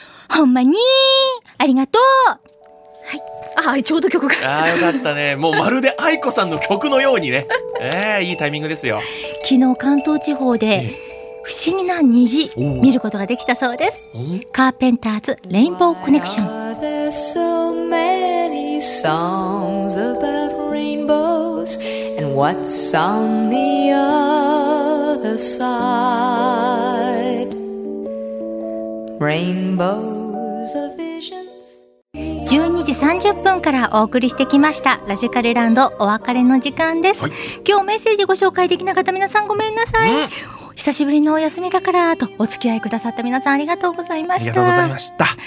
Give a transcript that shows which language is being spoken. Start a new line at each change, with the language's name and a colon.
Japanese: ほんまにありがとう。はい、あちょうど曲が、あよかったね、もうまるで愛子さんの曲のようにね、いいタイミングですよ。昨日関東地方で不思議な虹見ることができたそうです。カーペンターズレインボーコネクション。
English: Why are there so many songs about rainbows and what's on the other side? Rainbows of vision。
Japanese: 12時30分からお送りしてきましたラジカルランド、お別れの時間です、はい、今日メッセージご紹介できなかった皆さんごめんなさい、久しぶりのお休みだからとお付き合いくださった皆さんありがとうございました。ありがとうございました。